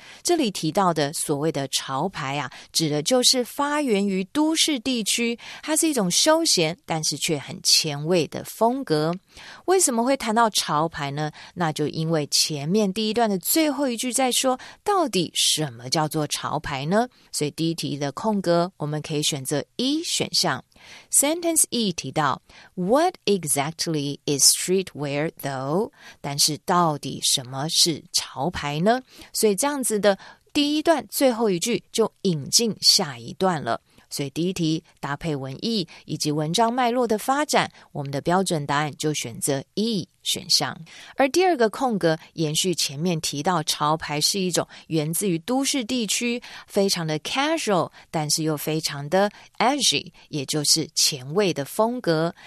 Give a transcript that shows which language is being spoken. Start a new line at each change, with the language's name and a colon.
Chinese: 这里提到的所谓的潮牌啊，指的就是发源于都市地区，它是一种休闲但是却很前卫的风格。为什么会谈到潮牌呢？那就因为前面第一段的最后一句在说到底什么叫做潮牌呢？所以第一题的空格我们可以选择一选项。
English: Sentence E 提到 What exactly is streetwear though?
Chinese: 但是到底什么是潮牌呢？所以这样子的第一段最后一句就引进下一段了。所以第一题搭配文意以及文章脉络的发展，我们的标准答案就选择 E 选项。而第二个空格延续前面提到潮牌是一种源自于都市地区，非常的 casual 但是又非常的 edgy， 也就是前卫的风格。